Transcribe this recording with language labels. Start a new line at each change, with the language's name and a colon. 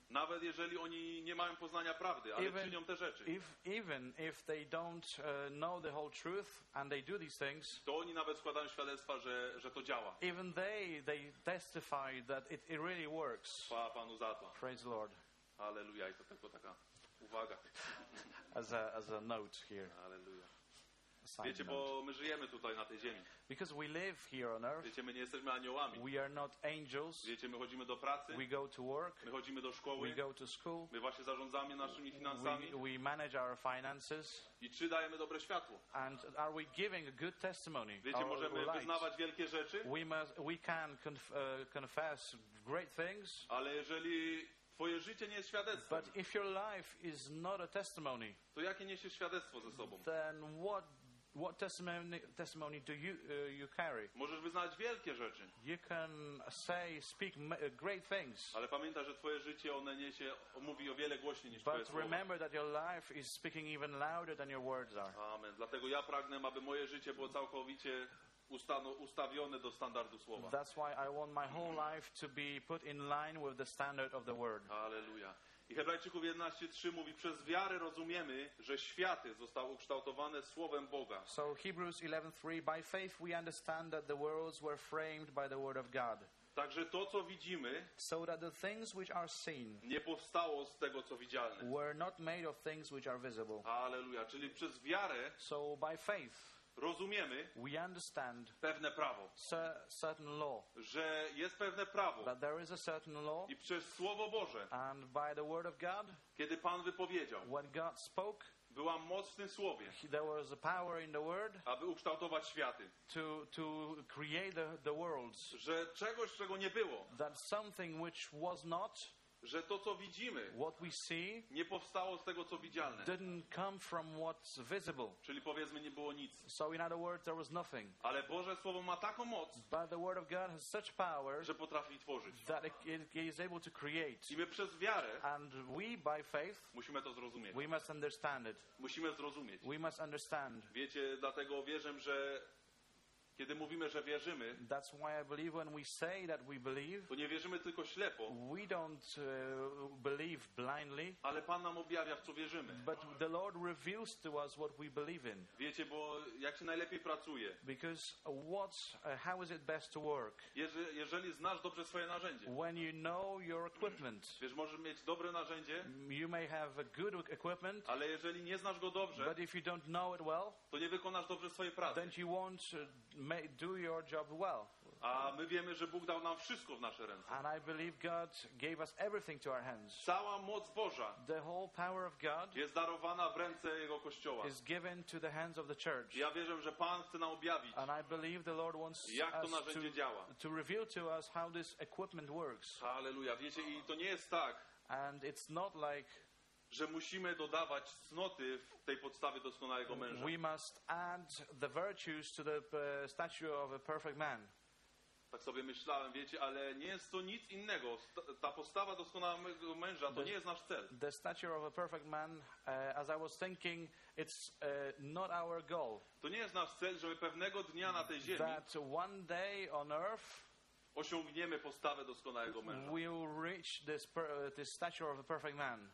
Polish: Nawet jeżeli oni nie mają poznania prawdy, ale
English: even,
Polish: czynią te rzeczy.
English: If they don't know the whole truth and they do these things,
Polish: to oni nawet składają świadectwa, że to działa.
English: Even they testify that it really works.
Polish: Chwała Panu za to.
English: Praise the Lord.
Polish: Alleluja. I to tylko taka uwaga.
English: As a note here. Alleluja.
Polish: Wiecie, bo my żyjemy tutaj na tej ziemi.
English: Because we live here on earth.
Polish: Wiecie, my nie jesteśmy aniołami.
English: We are not angels.
Polish: Wiecie, my chodzimy do pracy.
English: We go to work.
Polish: My chodzimy do szkoły.
English: We go to school.
Polish: My właśnie zarządzamy naszymi finansami.
English: We manage our finances.
Polish: I czy dajemy dobre światło?
English: And are we giving a good testimony?
Polish: Wiecie, możemy wyznawać wielkie rzeczy.
English: We can confess great things.
Polish: Ale jeżeli twoje życie nie jest świadectwem.
English: But if your life is not a testimony,
Polish: to jakie niesiesz świadectwo ze sobą?
English: Then what testimony do you carry?
Polish: Możesz wyznać wielkie rzeczy.
English: You can say, speak great things.
Polish: Ale pamiętaj, że twoje życie one niesie, mówi o wiele głośniej niż
English: but
Polish: twoje słowa.
English: Remember that your life is speaking even louder than your words are. Amen.
Polish: Dlatego ja pragnę, aby moje życie było całkowicie ustawione do standardu słowa.
English: That's why I want my whole life to be put in line with the standard of the word. Hallelujah.
Polish: I Hebrajczyków 11:3 mówi: przez wiarę rozumiemy, że światy zostały ukształtowane słowem Boga.
English: So Hebrews 11:3, by faith we understand that the worlds were framed by the word of God.
Polish: Także to, co widzimy,
English: so that the things which are seen
Polish: nie powstało z tego, co widzialne.
English: Were not made of things which are visible.
Polish: Hallelujah. Czyli przez wiarę.
English: So by faith.
Polish: Rozumiemy
English: we understand
Polish: pewne prawo,
English: certain law,
Polish: że jest pewne prawo,
English: that there is a certain law,
Polish: i przez Słowo Boże,
English: and by the word of God,
Polish: kiedy Pan wypowiedział,
English: when God spoke,
Polish: była moc w tym Słowie,
English: there was a power in the word,
Polish: aby ukształtować światy,
English: to create the worlds,
Polish: że czegoś, czego nie było,
English: that something which was not,
Polish: że to, co widzimy,
English: what we see,
Polish: nie powstało z tego, co widzialne.
English: Didn't come from what's visible.
Polish: Czyli powiedzmy, nie było nic.
English: So in other words, there was nothing.
Polish: Ale Boże Słowo ma taką moc,
English: but the word of God has such power,
Polish: że potrafi tworzyć.
English: That it is able to create.
Polish: I my przez wiarę,
English: and we, by faith,
Polish: musimy to zrozumieć.
English: We must understand it.
Polish: Musimy zrozumieć.
English: We must understand.
Polish: Wiecie, dlatego wierzę, że kiedy mówimy, że wierzymy,
English: that's why I believe when we say that we believe,
Polish: to nie wierzymy tylko ślepo,
English: we don't believe blindly,
Polish: ale Pan nam objawia, w co wierzymy.
English: But the Lord reveals to us what we believe in.
Polish: Wiecie, bo jak się najlepiej pracuje?
English: Because how is it best to work?
Polish: Jeżeli znasz dobrze swoje narzędzie.
English: When you know your equipment.
Polish: Wiesz, możesz mieć dobre narzędzie.
English: You may have a good equipment.
Polish: Ale jeżeli nie znasz go dobrze,
English: but if you don't know it well,
Polish: to nie wykonasz dobrze swojej pracy.
English: Then you won't do your job well.
Polish: A my wiemy, że Bóg dał nam wszystko w nasze ręce.
English: And I believe God gave us everything to our hands.
Polish: Cała moc Boża,
English: the whole power of God,
Polish: jest darowana w ręce Jego Kościoła.
English: Is given to the hands of the church.
Polish: Ja wierzę, że Pan chce nam objawić,
English: and I believe the Lord wants
Polish: jak to narzędzie działa.
English: To reveal to us how this equipment works.
Polish: Halleluja. Wiecie, i to nie jest tak,
English: and it's not like,
Polish: że musimy dodawać cnoty w tej podstawie doskonałego męża.
English: We must add the virtues to the statue of a perfect man.
Polish: Tak sobie myślałem, wiecie, ale nie jest to nic innego. Ta postawa doskonałego męża to nie jest nasz cel.
English: The statue of a perfect man, as I was thinking, it's not our goal.
Polish: To nie jest nasz cel, żeby pewnego dnia na tej ziemi,
English: that one day on earth,
Polish: osiągniemy postawę doskonałego męża.
English: We will reach this stature of a perfect man.